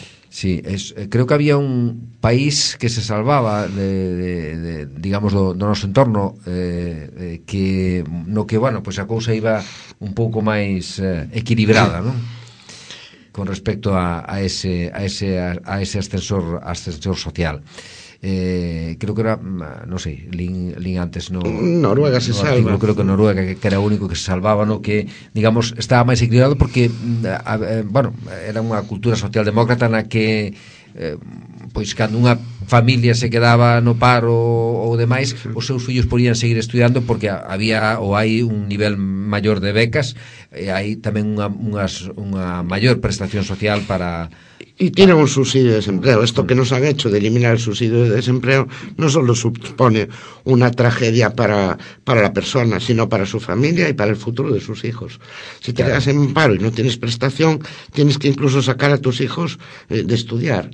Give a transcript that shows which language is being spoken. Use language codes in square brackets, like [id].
[es] Sí, creo que había un país que se salvaba [gl] de digamos do noso entorno que no que bueno, pues a cousa iba un pouco máis equilibrada, ¿no? Con respecto a ese ascensor social. Creo que era, no sei, lin antes, no, Noruega se salva. Artículo, creo que Noruega, que era o único que se salvaba, no, que digamos estaba máis equilibrado porque bueno, era unha cultura socialdemócrata na que pois cando unha familia se quedaba no paro ou demais, os seus fillos podían seguir estudiando porque había ou hai un nivel maior de becas e hai tamén unha maior prestación social para. [es] Y tiene un subsidio de desempleo. Esto que nos han hecho de eliminar el subsidio de desempleo no solo supone una tragedia para la persona, sino para su familia y para el futuro de sus hijos. Si te quedas en paro y no tienes prestación, tienes que incluso sacar a tus hijos de estudiar.